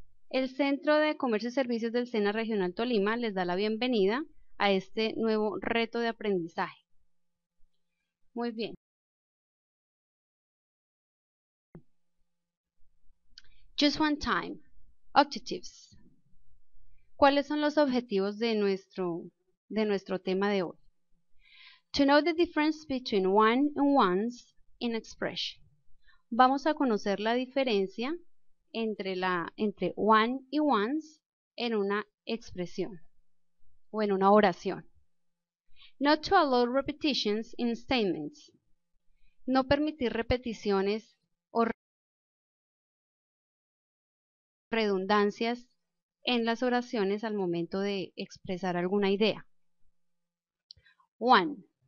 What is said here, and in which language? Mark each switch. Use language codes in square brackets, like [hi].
[es] El Centro de Comercio y Servicios del SENA Regional Tolima les da la bienvenida a este nuevo reto de aprendizaje. Muy bien. [en] Just One Time. Objectives. [es] ¿Cuáles son los objetivos de nuestro tema de hoy? [en] To know the difference between one and once in expression. [es] Vamos a conocer la diferencia entre one y once en una expresión o en una oración. [en] Not to allow repetitions in statements. [es] No permitir repeticiones o redundancias en las oraciones al momento de expresar alguna idea. One.